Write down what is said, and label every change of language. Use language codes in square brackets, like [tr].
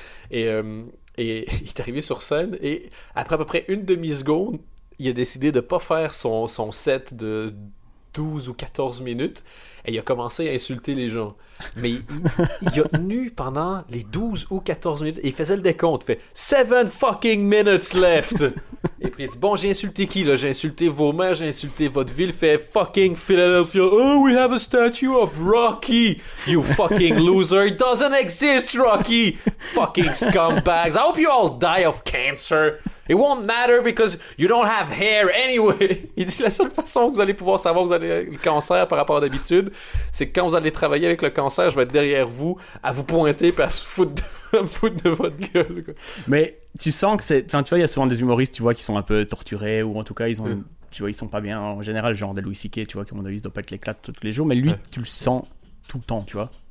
[fr] Et il est arrivé sur scène et après à peu près une demi-seconde, il a décidé de pas faire son set de 12 ou 14 minutes et il a commencé à insulter les gens. Mais il a tenu pendant les 12 ou 14 minutes et il faisait le décompte. Il fait [en] 7 fucking minutes left. [fr] Et puis il dit, bon, j'ai insulté qui là? J'ai insulté vos mères, j'ai insulté votre ville. Il fait [en] fucking Philadelphia. Oh, we have a statue of Rocky. You fucking loser. It doesn't exist, Rocky. Fucking scumbags. I hope you all die of cancer. It won't matter because you don't have hair anyway. [fr] Il dit, la seule façon que vous allez pouvoir savoir que vous avez le cancer par rapport à d'habitude, c'est que quand vous allez travailler avec le cancer, je vais être derrière vous à vous pointer et à se foutre de votre gueule. Quoi. Mais tu sens que c'est... Enfin, tu vois, il y a souvent des humoristes, tu vois, qui sont un peu torturés ou en tout cas, ils ont, tu vois, ils sont pas bien en général, genre des Louis C.K., tu vois, qui, à mon avis, ne doit pas être l'éclat tous les jours. Mais lui, tu le sens tout le temps, tu vois.